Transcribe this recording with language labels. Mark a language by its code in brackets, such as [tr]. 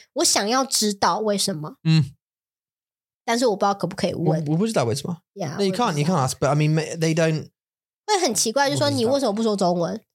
[zh] 还是我想要知道为什么?但是我不知道可不可以问。我不知道为什么? [en] Yeah, no, you can't, you can't ask, but I mean, they don't... [zh] 会很奇怪, 就说你为什么不说中文?